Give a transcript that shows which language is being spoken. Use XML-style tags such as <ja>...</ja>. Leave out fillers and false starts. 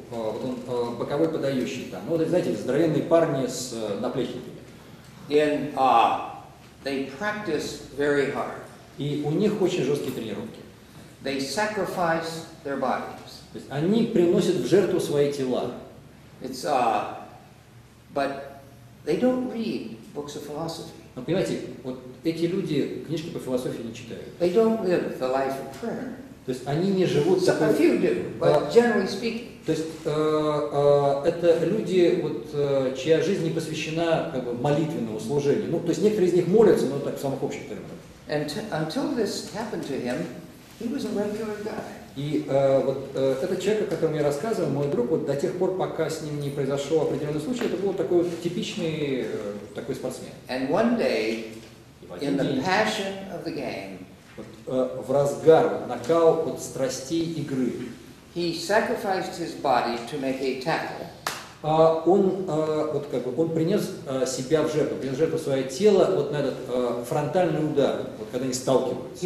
<ru>Вот он боковой подающий там. Ну вот, знаете, здоровенные парни с наплечниками.</ru> <en>In they practice very hard.</en> <ru>И у них очень жесткие тренировки.</ru> <en>They sacrifice their bodies.</en> <ru>То есть они приносят в жертву свои тела.</ru> <en>It's but they don't read books of philosophy.</en> <ru>Но понимаете, вот эти люди книжки по философии не читают.</ru> <en>They don't live the life of prayer.</en> <ru>То есть они не живут.</ru> <en>So a few do, but generally speaking.</en> <ru>То есть это люди, вот, чья жизнь не посвящена как бы молитвенному служению. Ну, то есть некоторые из них молятся, но так в самых общих терминах.</ru> <en>And until this happened to him, he was a regular guy.</en> <ru>И вот этот человек, о котором я рассказываю, мой друг, вот до тех пор, пока с ним не произошел определенный случай, это был такой вот типичный такой спортсмен.</ru> <en>And one day, in the passion of the game,</en> <ru>вот, в разгар, накал вот, страстей игры.</ru> <en>He sacrificed his body to make a tackle.</en> <ru>Он принес себя в жертву, принес в жертву свое тело вот на этот фронтальный удар, вот когда они сталкиваются.</ru>